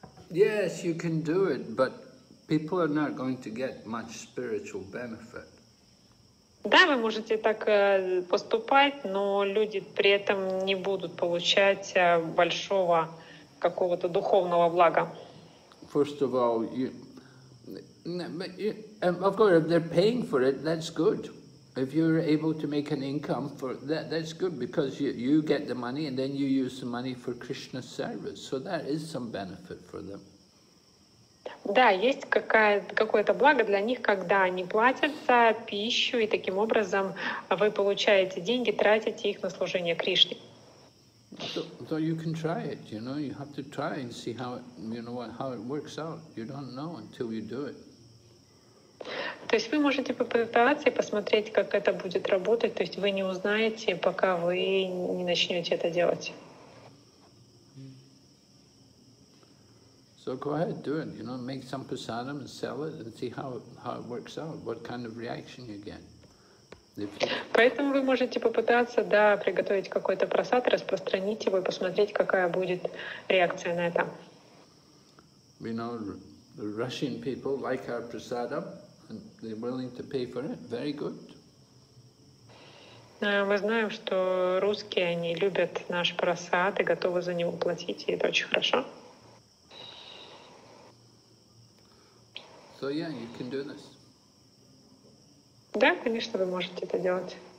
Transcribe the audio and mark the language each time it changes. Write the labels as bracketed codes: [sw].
[en] Yes, you can do it, but people are not going to get much spiritual benefit. [ru] Да, вы можете так поступать, но люди при этом не будут получать большого какого-то духовного блага. [en] First of all, of course, if they're paying for it, that's good. If you're able to make an income for that, that's good, because you get the money and then you use the money for Krishna's service. So that is some benefit for them. [ru] Да, есть какое-то благо для них, когда они платят за пищу, и таким образом вы получаете деньги, тратите их на служение Кришне. [en] So you can try it, you know, you have to try and see how it works out. You don't know until you do it. [ru] То есть вы можете попытаться и посмотреть, как это будет работать, то есть вы не узнаете, пока вы не начнете это делать. [en] So go ahead, do it. You know, make some prasadam and sell it and see how it works out. What kind of reaction you get? [ru] Поэтому вы можете попытаться, да, приготовить какой-то просад, распространить его и посмотреть, какая будет реакция на это. [en] We know the Russian people like our prasadam and they're willing to pay for it. Very good. [ru] Мы знаем, что русские, они любят наш просад и готовы за него платить, и это очень хорошо. [en] So yeah, you can do this. [ru] Да, конечно, вы можете это делать.